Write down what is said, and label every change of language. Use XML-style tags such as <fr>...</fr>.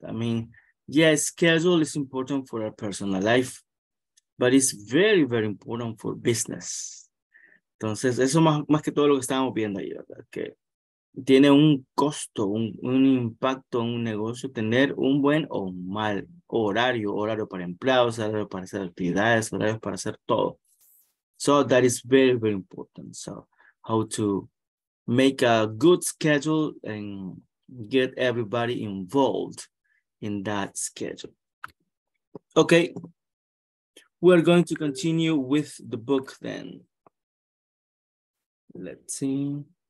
<en>I mean, yes, schedule is important for our personal life, but it's very, very important for business.</en> <es>Entonces, eso más que todo lo que estábamos viendo ahí, ¿verdad? Okay. Tiene un costo, un impacto en un negocio, tener un buen o un mal horario, horario para empleados, horario para hacer actividades, horario para hacer todo.</es> <en>So that is very, very important. So how to make a good schedule and get everybody involved in that schedule. Okay, we're going to continue with the book then. Let's see.</en>